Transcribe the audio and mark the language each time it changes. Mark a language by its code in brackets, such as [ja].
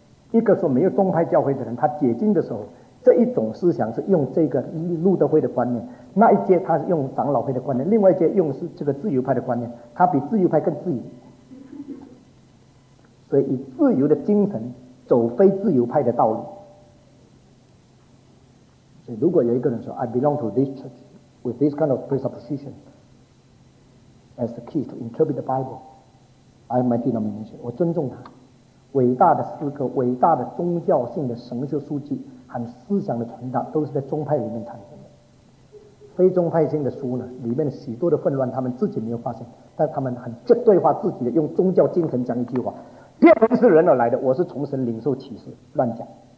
[zh] 一个说没有宗派教会的人，他解经的时候这一种思想是用这个路德会的观念，那一阶他是用长老会的观念，另外一阶用是这个自由派的观念，他比自由派更自由，所以以自由的精神走非自由派的道路。所以如果有一个人说 [en] I belong to this church with this kind of presupposition as the key to interpret the Bible, I have my denomination, [zh] 我尊重他。伟大的诗歌、伟大的宗教性的神学书籍和思想的传达都是在宗派里面产生的，非宗派性的书呢，里面许多的混乱他们自己没有发现，但他们很绝对化自己的，用宗教精神讲一句话，别人是人而来的，我是从神领受启示，乱讲。